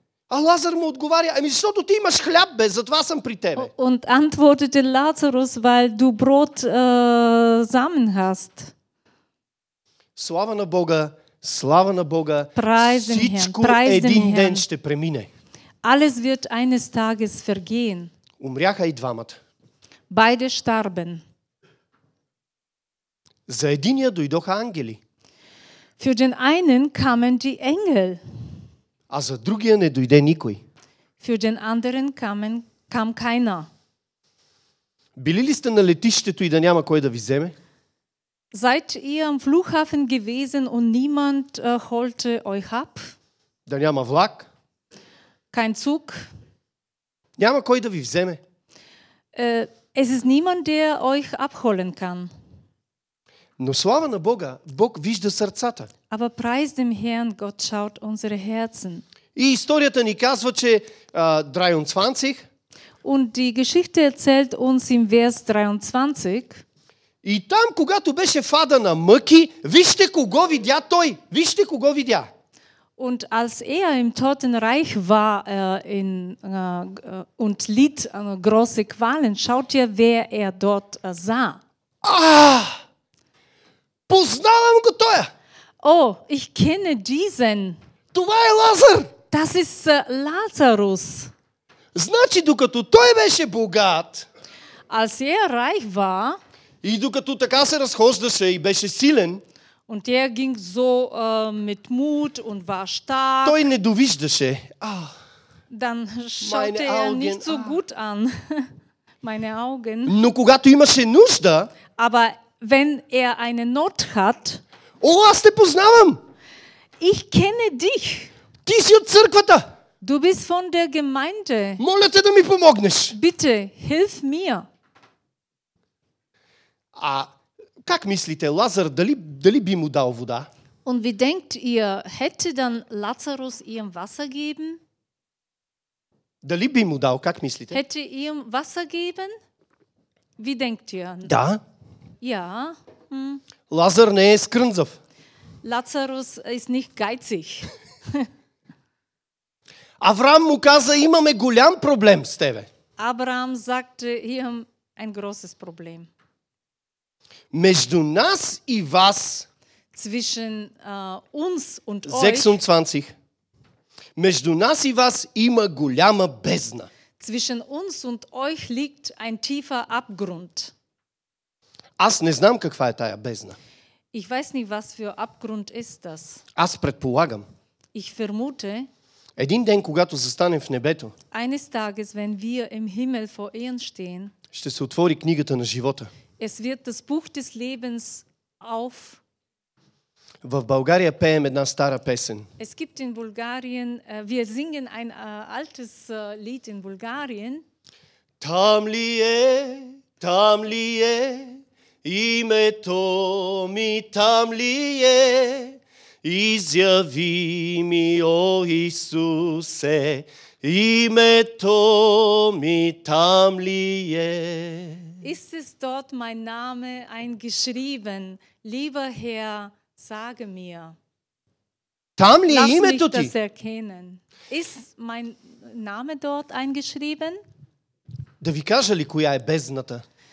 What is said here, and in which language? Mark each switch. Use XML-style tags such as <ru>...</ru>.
<bg>А Лазар му отговаря, ами защото ти имаш хляб, бе, затова съм при тебе.</bg> <de>Und antwortete Lazarus, weil du Brot zusammen hast.</de> <bg>Слава на Бога, слава на Бога.</bg> <de>Preisen</de> <bg>всичко</bg> <de>Herrn,</de> <bg>един</bg> <de>Herrn.</de> <bg>Ден ще премине.</bg> <de>Alles wird eines Tages vergehen.</de> <bg>Умряха и двамата.</bg> <de>Beide starben.</de> <bg>За единия дойдоха ангели.</bg> <de>Für den einen kamen die Engel.</de> <bg>А за другия не дойде никой.</bg> <de>Für den anderen kam keiner.</de> <bg>Били ли сте на летището и да няма кой да ви вземе?</bg> <de>Seid ihr am Flughafen gewesen und niemand holte euch ab?</de> <bg>Да няма влак?</bg> <de>Kein Zug?</de> <bg>Няма кой да ви вземе?</bg> <de>Es ist niemand, der euch abholen kann.</de> <bg>Но слава на Бога, Бог вижда сърцата.</bg> <de>Aber preis dem Herrn, Gott schaut unsere Herzen.</de> <bg>И историята ни казва, че 23.</bg> <de>Und die Geschichte erzählt uns im Vers 23.</de> <bg>И там, когато беше в ада на мъки, вижте кого видя той. Вижте кого видя.</bg> <de>Und als im Totenreich war in und litt große Qualen, schaut ihr, wer dort sah.</de> <bg>Познавам го тоя.</bg> <de>Ich kenne diesen.</de> <bg>Това е Лазар.</bg> <de>Das ist Lazarus.</de> <bg>Значи, докато той беше богат,</bg> <de>als reich war,</de> <bg>и докато така се разхождаше и беше силен,</bg> <de>und ging so, mit Mut und war stark,</de> <bg>той не довиждаше.</bg> <de>Dann schaute nicht so gut an. Meine Augen.</de> <bg>Но когато имаше нужда,</bg> <de>aber wenn eine Not hat,</de> <bg>о, аз те познавам!</bg> <de>Ich kenne dich.</de> <bg>Ти си от църквата.</bg> <de>Du bist von der Gemeinde.</de> <bg>Моля те да ми помогнеш.</bg> <de>Bitte, hilf mir.</de> <bg>А как мислите, Лазар, дали би му дал вода?</bg> <de>Und wie denkt ihr, hätte dann Lazarus ihm Wasser geben?</de> <bg>Дали би му дал, как мислите?</bg> <de>Hätte ihm Wasser geben? Wie denkt ihr?</de> <bg>Да.</bg> <de>Ja.</de> <bg>Лазар не е скрънзав.</bg> <de>Lazarus ist nicht geizig.</de> <bg>Авраам му каза, имаме голям проблем с тебе.</bg> <de>Abraham sagte,</de> <bg>имам</bg> <de>ein großes Problem.</de> <bg>Между нас и вас,</bg> <de>zwischen uns und</de> <bg>26,</bg> <de>euch,</de> <bg>между нас и вас има голяма бездна.</bg> <de>Zwischen uns und euch liegt ein tiefer Abgrund.</de> <bg>Аз не знам каква е тая бездна.</bg> <de>Ich weiß nicht, was für Abgrund ist das.</de> <bg>Аз предполагам.</bg> <de>Ich vermute,</de> <bg>един ден, когато застанем в небето,</bg> <de>eines Tages, wenn wir im Himmel vor ihnen stehen,</de> <bg>ще се отвори книгата на живота.</bg> <de>Es wird das Buch des Lebens auf.</de> <bg>В България пеем една стара песен.</bg> <de>Es gibt in Bulgarien, wir singen ein altes Lied in Bulgarien.</de> <bg>Там ли е, там ли е името ми, там ли е? Изяви ми, о Исусе, името ми там ли е?</bg> <de>Ist es dort mein Name eingeschrieben? Lieber Herr, sage mir.</de> <bg>Там ли е името ти?</bg> <de>Lass mich das erkennen. Ist mein Name dort eingeschrieben?</de> <bg>Да ви кажа ли коя е бездната?</bg>